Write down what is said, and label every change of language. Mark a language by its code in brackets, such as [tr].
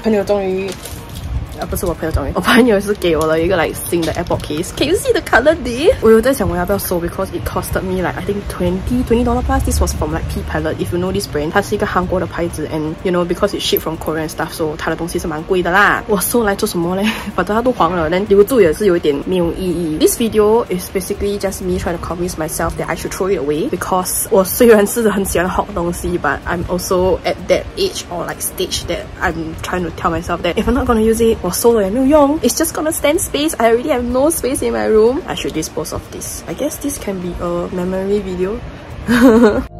[zh] 朋友终于不是我朋友终于，我朋友是给我了一个 like 新的 AirPod case， can you see the color there？我有在想我要不要收， because it costed me like I think $20 plus。 [en] This was from like pPilot， if you know this brand，它是一个韩国的牌子， and you know because it shipped from Korea and stuff， so 它的东西是蛮贵的啦。 [zh] 我收来做什么呢？反正它都黄了， then 留住也是有一点没有意义。 [en] This video is basically just me trying to convince myself that I should throw it away， because 我虽然是很喜欢 hot 东西， but I'm also at that age or like stage that I'm trying to tell myself that if I'm not gonna use it，我收了也没有用， it's just gonna stand space， I already have no space in my room， I should dispose of this， I guess this can be a memory video。